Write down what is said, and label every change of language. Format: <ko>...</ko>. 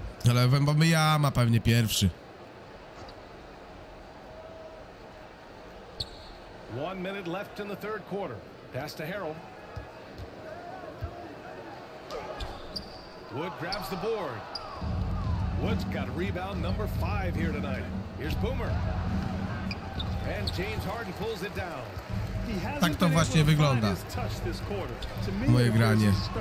<pl>Ale Wembomy ja ma pewnie pierwszy.</pl> <en>One minute left in the third quarter. Pass to Harold. Wood grabs the board. Wood's got a rebound number 5 here tonight. Here's Boomer. And James Harden pulls it down.</en> <pl>Tak to właśnie wygląda moje granie.</pl>